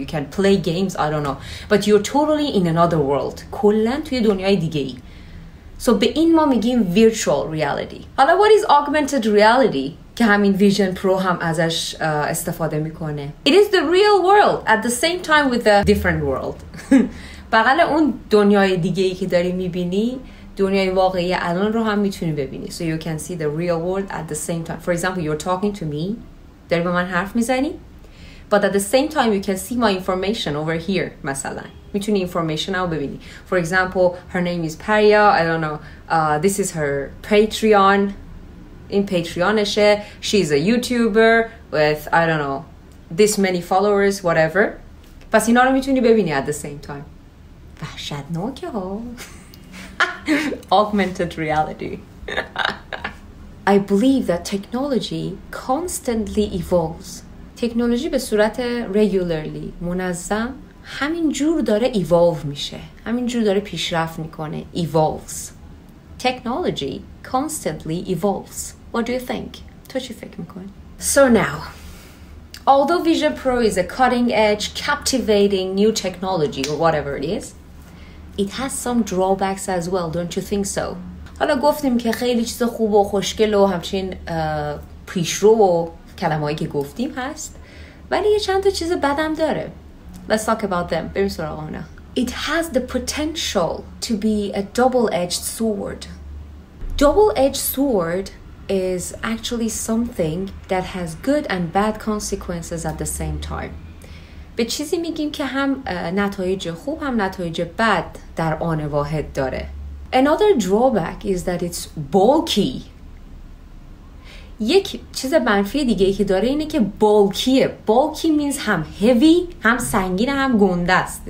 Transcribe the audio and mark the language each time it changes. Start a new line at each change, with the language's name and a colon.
English: You can play games, I don't know. But you're totally in another world.
Persian: کلن توی دنیای دیگه ای. So به این ما میگیم virtual reality. حالا
English: what is augmented reality؟
Persian: که همین Vision Pro هم ازش استفاده میکنه.
English: It is the real world at the same time with a different world.
Persian: بغل اون دنیای دیگه ای که داری میبینی، دنیای واقعی الان رو هم میتونی ببینی.
English: So you can see the real world at the same time. For example, you're talking to me.
Persian: داری با من حرف میزنی.
English: But at the same time, you can see my information over here, مثلا.
Persian: میتونی information رو ببینی.
English: For example, her name is Paria. I don't know. This is her Patreon.
Persian: این پیتریانشه.
English: She's a YouTuber with, I don't know, this many followers, whatever.
Persian: پس اینا رو میتونی ببینی
English: at the same time.
Persian: وحشتناکه ها.
English: Augmented reality. I believe that technology constantly evolves.
Persian: تکنولوژی به صورت regularly, منظم, همین جور داره evolve میشه. همین جور داره پیشرفت میکنه.
English: Evolves. Technology constantly evolves. What do you think?
Persian: تو چی فکر میکنی؟
English: So now, although Vision Pro is a cutting-edge, captivating new technology or whatever it is, it has some drawbacks as well, don't you think so?
Persian: حالا گفتیم که خیلی چیز خوب و خوشگل و همچنین پیشرو و کلمه‌ای که گفتیم هست ولی یه چند تا چیز بد هم داره.
English: Let's talk about them.
Persian: بریم سراغ اونا.
English: It has the potential to be a double-edged sword. Double-edged sword is actually something that has good and bad consequences at the same time.
Persian: به چیزی میگیم که هم نتایج خوب هم نتایج بد در آن واحد داره.
English: Another drawback is that it's bulky.
Persian: یک چیز منفی دیگه که داره اینه که bulkyه. Bulky means هم heavy, هم سنگین, هم گنده است.